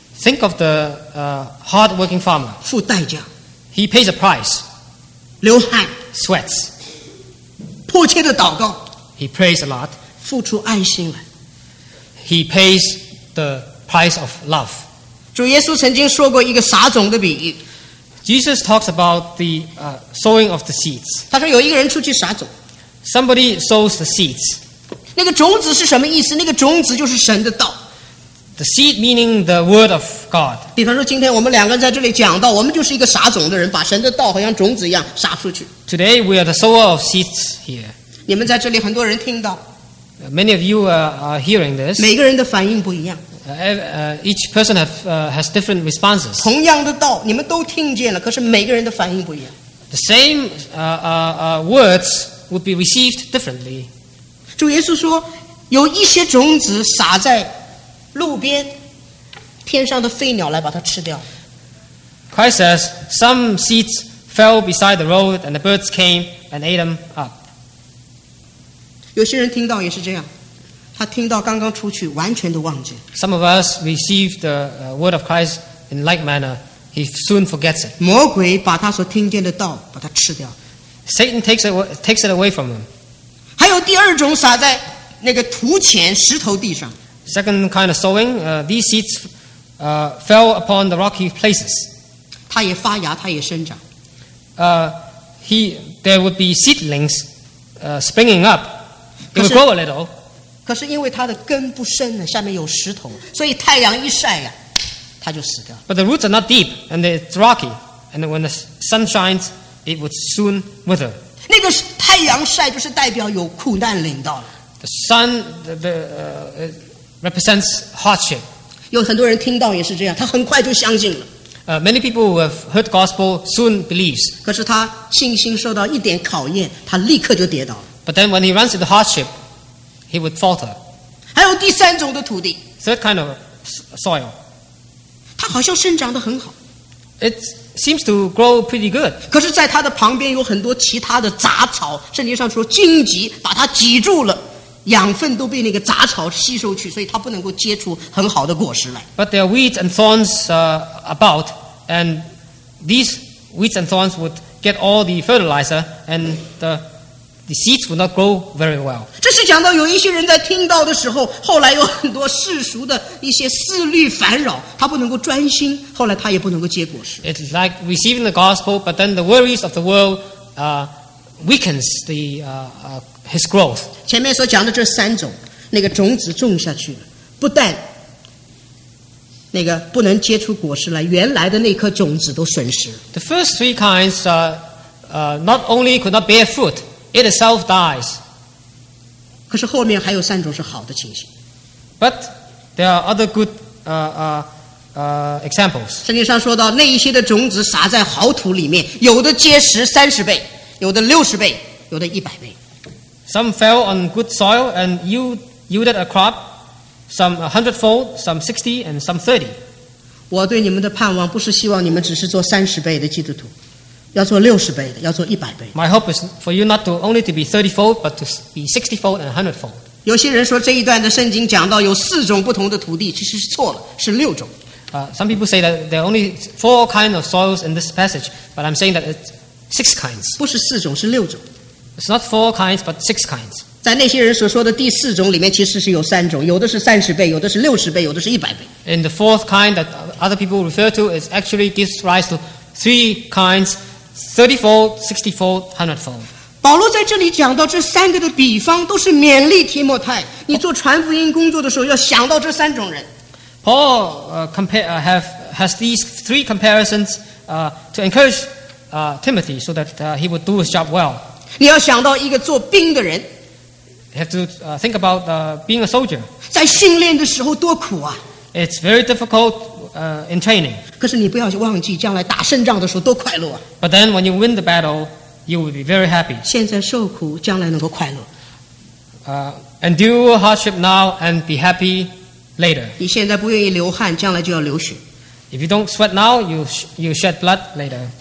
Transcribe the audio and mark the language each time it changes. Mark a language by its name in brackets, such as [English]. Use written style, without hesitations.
[English] Think of the hard-working farmer. [Chinese] 付代价。 [English] He pays a price. [Chinese] 流汗。 [English] Sweats. [Chinese] 迫切的祷告。 [English] He prays a lot. [Chinese] 付出爱心来。 [English] He pays the price of love. [Chinese] 主耶稣曾经说过一个撒种的比喻。 [English] Jesus talks about the sowing of the seeds. [Chinese] 他说有一个人出去撒种。 [English] Somebody sows the seeds. [Chinese] 那个种子是什么意思？那个种子就是神的道。 [English] The seed meaning the word of God. [Chinese] 比方说今天我们两个人在这里讲到，我们就是一个撒种的人，把神的道好像种子一样撒出去。 [English] Today we are the sower of seeds here. [Chinese] 你们在这里很多人听到。 [English] Many of you are hearing this. [Chinese] 每个人的反应不一样. [English] Each person has different responses. [Chinese] 同样的道, 你们都听见了, 可是每个人的反应不一样. [English] The same words would be received differently. [Chinese] 主耶稣说, 有一些种子撒在路边, 天上的飞鸟来把它吃掉. [English] Christ says, some seeds fell beside the road, and the birds came and ate them up. [Chinese] 有些人听到也是这样, 他听到刚刚出去, 完全都忘记. [English] Some of us receive the word of Christ in like manner. He soon forgets it. [Chinese] 魔鬼把他所听见的道, 把他吃掉. [English] Satan takes it away from him. [Chinese] 还有第二种撒在那个土前, 石头地上. [English] Second kind of sowing, these seeds fell upon the rocky places. [Chinese] 它也发芽, 它也生长. [English] There would be seedlings springing up. It would grow a little. [Chinese] 可是因为它的根不深, 下面有石头, 所以太阳一晒啊, 它就死掉. [English] But the roots are not deep, and it's rocky. And when the sun shines, it would soon wither. [Chinese] 那个太阳晒, 就是代表有苦难领到了. [English] The sun represents hardship. [Chinese] 有很多人听到也是这样, 他很快就相信了. [English] Many people who have heard gospel soon believes. [Chinese] 可是他信心受到一点考验, 他立刻就跌倒了. [English] But then when he runs into hardship, he would falter. [Chinese] 还有第三种的土地, [English] third kind of soil. [Chinese] 它好像生长得很好. [English] It seems to grow pretty good. [Chinese] 可是在它的旁边有很多其他的杂草, 圣经上说荆棘, 把它挤住了, 养分都被那个杂草吸收去, 所以它不能够结出很好的果实来. [English] But there are weeds and thorns about, and these weeds and thorns would get all the fertilizer, and the seeds would not grow very well. [Chinese] 这是讲到有一些人在听到的时候, 后来有很多世俗的一些思虑烦扰, 他不能够专心, 后来他也不能够结果实. [English] It's like receiving the gospel, but then the worries of the world weakens the his growth. [Chinese] 前面所讲的这三种, 那个种子种下去了, 不但不能结出果实来, 原来的那颗种子都损失了。 [English] The first three kinds not only could not bear fruit, it itself dies. [Chinese] 可是后面还有三种是好的情形。 [English] But there are other good examples. [Chinese] 圣经上说到, 那一些的种子撒在好土里面, 有的结实 30倍, 有的60倍, 有的100倍。 [English] Some fell on good soil and yielded a crop, some a hundredfold, some 60, and some 30. [Chinese] 我对你们的盼望不是希望你们只是做30倍的基督徒, 要做60倍的, 要做100倍。 [English] My hope is for you not to only to be 30-fold, but to be 60-fold and 100-fold. [Chinese] 有些人说这一段的圣经讲到有四种不同的土地, 其实是错了, 是六种。 [English] Some people say that there are only four kinds of soils in this passage, but I'm saying that it's six kinds. [Chinese] 不是四种, 是六种。 [English] It's not four kinds, but six kinds. [Chinese] 在那些人所说的第四种里面, 其实是有三种, 有的是30倍, 有的是60倍, 有的是100倍。 [English] In the fourth kind that other people refer to, it actually gives rise to three kinds, 30-fold, 60-fold, 100-fold. [Chinese] 保罗在这里讲到这三个的比方, 都是勉励提摩太, 你做传福音工作的时候, 要想到这三种人。 [English] Paul has these three comparisons to encourage Timothy so that he would do his job well. [Chinese] 你要想到一个做兵的人, [English] you have to think about being a soldier. [Chinese] 在训练的时候多苦啊, [English] it's very difficult in training. [Chinese] 可是你不要忘记, 将来打胜仗的时候多快乐啊, [English] but then when you win the battle, you will be very happy. [Chinese] 现在受苦, 将来能够快乐, [English] endure hardship now and be happy later. [Chinese] 你现在不愿意流汗, 将来就要流血。 [English] If you don't sweat now, you shed blood later.